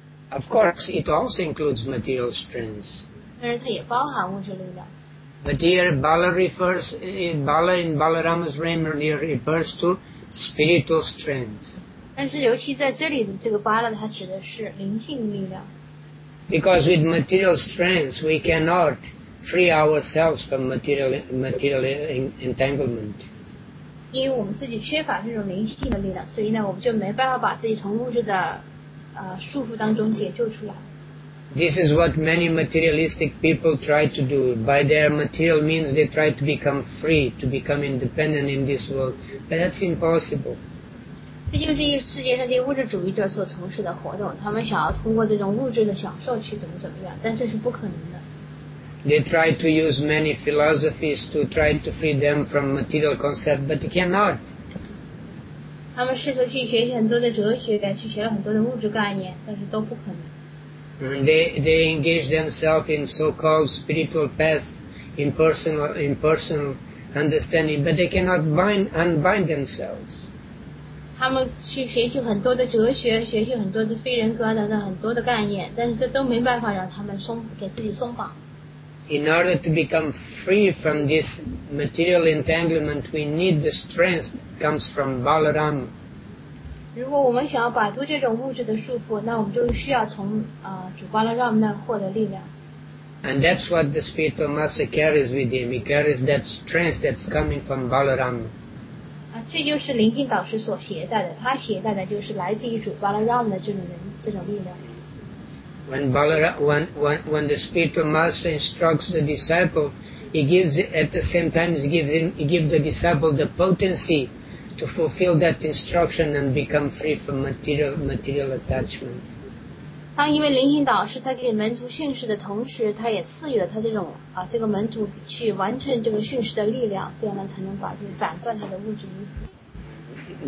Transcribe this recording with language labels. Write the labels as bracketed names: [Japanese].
[English] Of course, it also includes material strengths. [Chinese] 但是它也包含物质力量。 [English] But here, Bala refers, in Balarama's Ramayana, he refers to spiritual strength. [Chinese] 但是尤其在这里的这个巴拉，它指的是灵性力量。 [English] Because with material strengths, we cannot free ourselves from material entanglement. [Chinese] 因为我们自己缺乏这种灵性的力量，所以呢，我们就没办法把自己从物质的束缚当中解救出来。 [English] This is what many materialistic people try to do. By their material means, they try to become free, to become independent in this world. But that's impossible. [Chinese] 这就是世界上这些物质主义者所从事的活动，他们想要通过这种物质的享受去怎么怎么样，但这是不可能的。 [English] They try to use many philosophies to try to free them from material concept, but they cannot. [Chinese] 他们试图去学习很多的哲学，去学了很多的物质概念，但是都不可能。 [English] They engage themselves in so-called spiritual path, impersonal understanding, but they cannot unbind themselves. [Chinese] 他们去学习很多的哲学，学习很多的非人格等等很多的概念，但是这都没办法让他们给自己松绑。 [English] In order to become free from this material entanglement, we need the strength that comes from Balaram. [Chinese] 如果我们想要摆脱这种物质的束缚，那我们就需要从主巴拉让那获得力量。 [English] And that's what the spiritual master carries with him. He carries that strength that's coming from Balaram. [Chinese] 这就是灵性导师所携带的，他携带的就是来自于主巴拉让的这种力量。 [English] When the spiritual master instructs the disciple, he gives the disciple the potency. To fulfill that instruction and become free from material attachment. [Chinese] 当一位灵性导师他给门徒训示的同时，他也赐予了他这种这个门徒去完成这个训示的力量，这样呢才能把就是斩断他的物质依附。